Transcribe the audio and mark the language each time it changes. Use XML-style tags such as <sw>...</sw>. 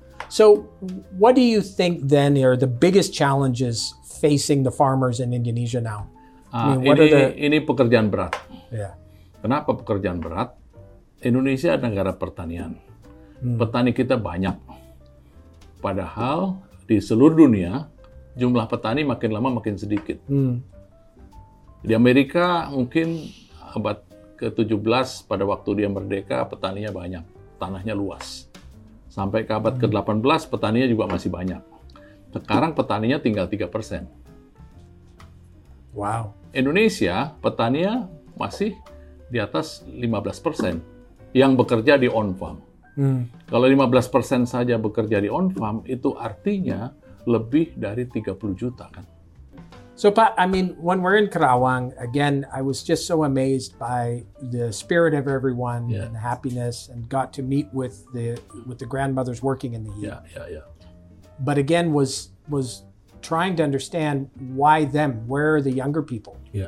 <en>So what do you think then are the biggest challenges facing the farmers in Indonesia now?</en> <id>Ini pekerjaan berat.</id> <en>Yeah.</en> <id>Kenapa pekerjaan berat? Indonesia adalah negara pertanian. Petani kita banyak. Padahal di seluruh dunia jumlah petani makin lama makin sedikit. Di Amerika mungkin abad ke-17 pada waktu dia merdeka petaninya banyak, tanahnya luas. Sampai ke abad ke-18 petaninya juga masih banyak. Sekarang petaninya tinggal 3%.</id> <en>Wow.</en> <id>Indonesia petaninya masih di atas 15% yang bekerja di on farm. Kalau 15% saja bekerja di on farm itu artinya lebih dari 30 juta kan.</id> <en>So Pak, I mean when we're in Karawang again, I was just so amazed by the spirit of everyone and the happiness and got to meet with the grandmothers working in the heat. But again was trying to understand why them, where are the younger people?</en>